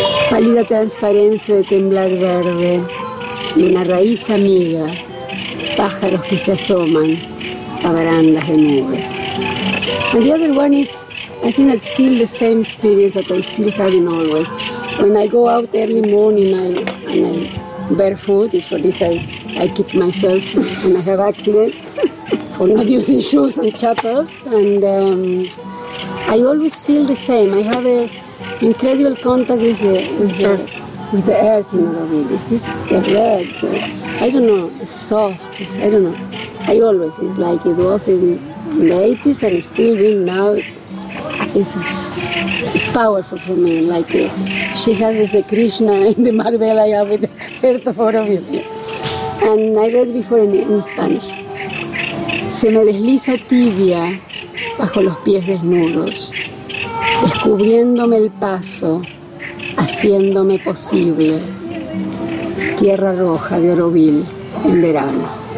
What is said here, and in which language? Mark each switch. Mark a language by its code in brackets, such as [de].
[es] Pálida transparencia de temblar verde y una raíz amiga, pájaros que se asoman a barandas de nubes. [en] And the other one is, I think that's still the same experience that I still have in Norway. When I go out early morning and I barefoot, it's for this I kick myself when I have accidents, for not using shoes and chappels, and I always feel the same. I have incredible contact with the earth, you know, this is the red, I don't know, it's soft, it's, I don't know, I always, it's like it was in the 80s and it's still being now, it's powerful for me, like she has with the Krishna in the Marvel I have with the earth of Oroville, yeah. And I read before in Spanish. [es] Se me desliza tibia bajo los pies desnudos, descubriéndome el paso, haciéndome posible, tierra roja de Oroville en verano.